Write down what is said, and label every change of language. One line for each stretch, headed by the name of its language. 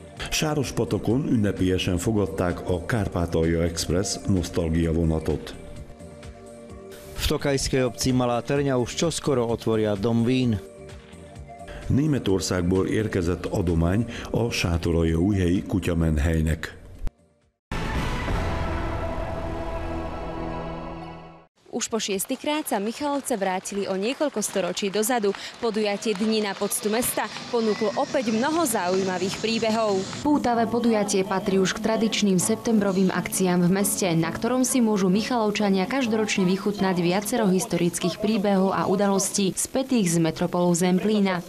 Hungarian: Sárospatakon ünnepélyesen fogadták a Kárpátalja Express nosztalgia vonatot.
Slovak: V tokajskej obci Malá Terňa už čoskoro otvoria dom vín.
Hungarian: Németországból érkezett adomány a Sátoraljai újhelyi kutyamenhelynek.
Slovak: Už po šiestikrát sa Michalovce vrátili o niekoľko storočí dozadu. Podujatie Dni na poctu mesta ponúklo opäť mnoho zaujímavých príbehov. Pútavé podujatie patrí už k tradičným septembrovým akciám v meste, na ktorom si môžu Michalovčania každoročne vychutnať viacero historických príbehov a udalostí spätých s metropolou Zemplína.